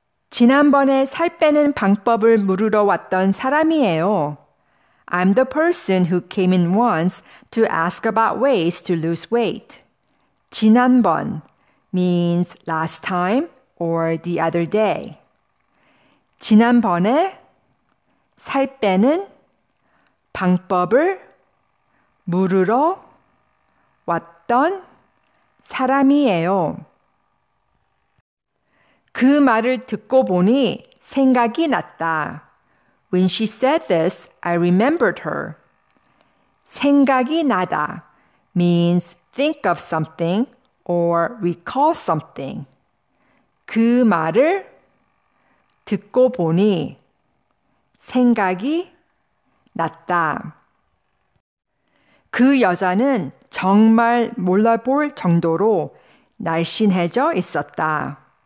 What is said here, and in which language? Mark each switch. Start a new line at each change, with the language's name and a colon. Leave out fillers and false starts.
Korean: 지난번에 살 빼는 방법을 물으러 왔던 사람이에요.
English: I'm the person who came in once to ask about ways to lose weight. 지난번 means last time or the other day.
Korean: 지난번에 살 빼는 방법을 물으러 왔던 사람이에요. 그 말을 듣고 보니 생각이 났다.
English: When she said this, I remembered her. 생각이 나다 means think of something or recall something.
Korean: 그 말을 듣고 보니 생각이 났다. 그 여자는 정말 몰라볼 정도로 날씬해져 있었다.